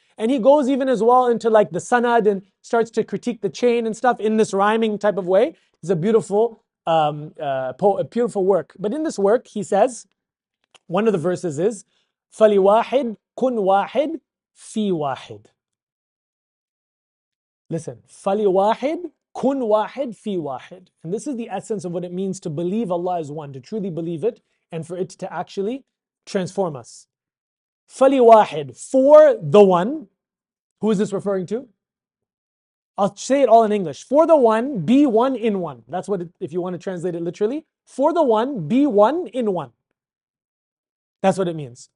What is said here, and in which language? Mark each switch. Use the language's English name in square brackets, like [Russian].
[English] And he goes even as well into like the sanad and starts to critique the chain and stuff in this rhyming type of way. It's a beautiful beautiful work. But in this work, he says, one of the verses is, [Arabic] فَلِوَاحِدْ كُنْ وَاحِدْ فِي وَاحِدْ. [English] Listen, [Arabic] فَلِوَاحِدْ كُنْ وَاحِدْ فِي وَاحِدْ. [English] And this is the essence of what it means to believe Allah is one, to truly believe it, and for it to actually transform us. فَلِوَاحِدْ, for the one. Who is this referring to? I'll say it all in English. For the one, be one in one. That's what, if you want to translate it literally, for the one, be one in one. That's what it means.